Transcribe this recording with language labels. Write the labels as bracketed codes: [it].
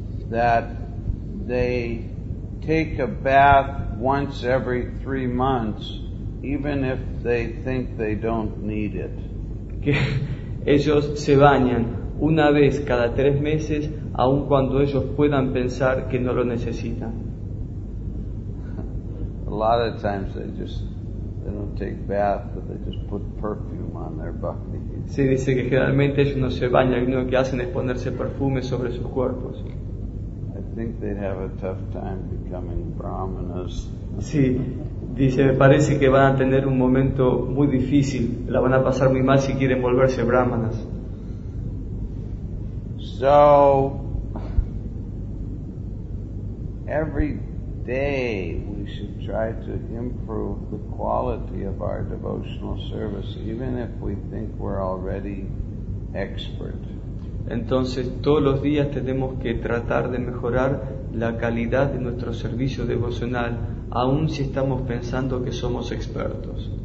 [en] That they take a bath once every 3 months, even if they think they don't need it. [es] Que ellos se bañan una vez cada 3 meses, aun cuando ellos puedan pensar que no lo necesitan. [en] A lot of times they don't take bath, but they just put perfume on their body. [es] Sí, dice que generalmente ellos no se bañan, sino que hacen es ponerse perfume sobre sus cuerpos. [en] I think they'd have a tough time becoming brahmanas. [es] Sí, dice, me parece que van a tener un momento muy difícil, la van a pasar muy mal si quieren volverse brahmanas. [en] So every day we should try to improve the quality of our devotional service, even if we think we're already expert. [es] Entonces todos los días tenemos que tratar de mejorar la calidad de nuestro servicio devocional, aun si estamos pensando que somos expertos.